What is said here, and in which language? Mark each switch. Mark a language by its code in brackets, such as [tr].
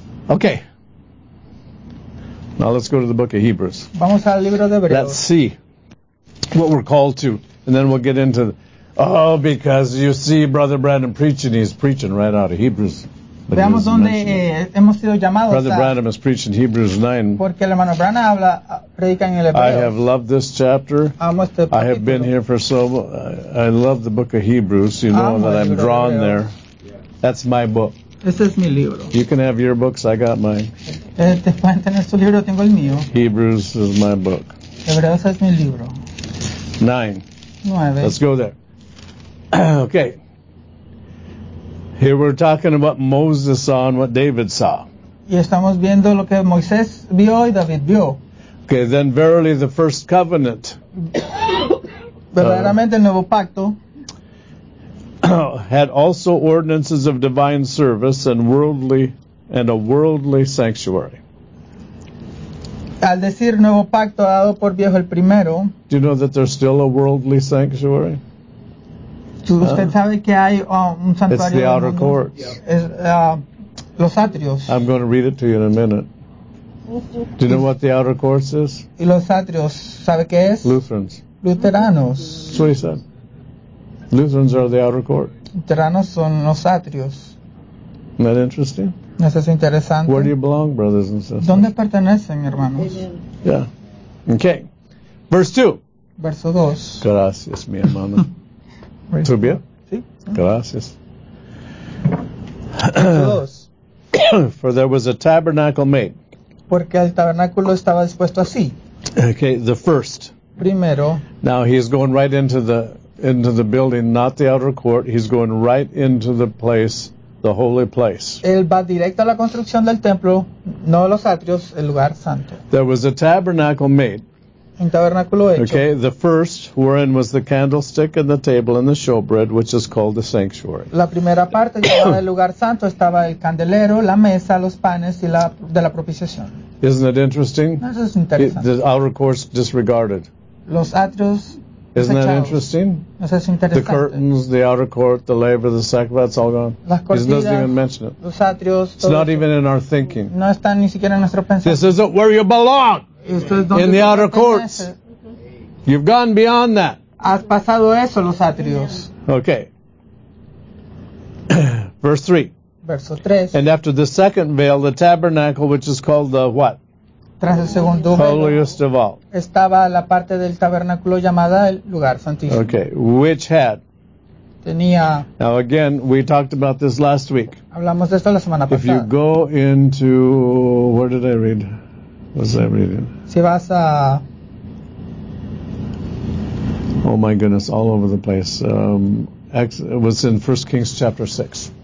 [en] Okay. Now let's go to the book of Hebrews. [es] Vamos al libro de Hebreos. [en] Let's see what we're called to, and then we'll get into. The, oh, because you see, Brother Brandon preaching, he's preaching right out of Hebrews. [es] Veamos dónde hemos sido llamados. [en] Brother Branham has preached in Hebrews 9. [es] Porque el hermano Branham habla, predica en el Hebreo. [en] I have loved this chapter. [es] Amo este capítulo. [en] I have been here for so long. I love the book of Hebrews. You know [es] Amo [en] that I'm drawn Hebreo. There. That's my book. [es] Ese es mi libro. [en] You can have your books. I got mine. [es] Te pueden tener su libro. Tengo el mío. [en] Hebrews is my book. [es] Hebreos es mi libro. [en] 9. Let's go there. Okay. Here we're talking about Moses saw and what David saw. [es] Y estamos viendo lo que Moisés vio y David vio. [en] Okay, then verily the first covenant. [es] Verdaderamente el nuevo pacto. [en] Had also ordinances of divine service and worldly and a worldly sanctuary. [es] Al decir nuevo pacto dado por viejo el primero. [en] Do you know that there's still a worldly sanctuary? [es] Usted sabe que hay un santuario. [en] It's the outer courts. [es] Los atrios. [en] I'm going to read it to you in a minute. Do you know what the outer courts is? [es] Y los atrios, ¿sabe qué es? [en] Lutherans. [es] Luteranos. [en] That's what he said. Lutherans are the outer court. [es] Luteranos son los atrios. [en] Isn't that interesting? [es] Eso es interesante. [en] Where do you belong, brothers and sisters? [es] ¿Dónde pertenecen, hermanos? [en] Yeah. Okay. Verse 2. [es] Verso 2. Gracias, mi hermano. ¿Tú bien? Sí. Gracias. Dos. [en] For there was a tabernacle made. [es] Porque el tabernáculo estaba dispuesto así. [en] Okay, the first. [es] Primero. [en] Now he's going right into the building, not the outer court. He's going right into the place, the holy place. [es] Él va directo a la construcción del templo, no los atrios, el lugar santo. [en] There was a tabernacle made. Okay, the first, wherein was the candlestick and the table and the showbread, which is called the sanctuary. [es] La primera parte llamada el lugar santo estaba el candelero, la mesa, los panes y la de la propiciación. [en] Isn't it interesting? [es] Eso es interesante. [en] The outer courts disregarded. [es] Los atrios. [en] Isn't that interesting? [es] Eso es interesante. [en] The curtains, the outer court, the laver, the sacrifice, it's all gone. [es] Las cortinas, [en] he doesn't even mention it. [es] Los atrios. [en] It's not even in our thinking. [es] No está ni siquiera en nuestro pensamiento. [en] This isn't where you belong. In the outer courts. You've gone beyond that. [es] Has pasado eso, los atrios. [en] Okay. Verse 3. [es] Verso 3. [en] And after the second veil, the tabernacle, which is called the what? [es] Tras el segundo [en] veil. Holiest of all. [es] Estaba la parte del tabernáculo llamada el lugar santísimo. [en] Okay. Which had? [es] Tenía. [en] Now again, we talked about this last week. [es] Hablamos de esto la semana pasada. [en] If you go into, where did I read? What's that reading? [es] Si vas a... [en] Oh my goodness, all over the place. It was in 1 Kings chapter 6.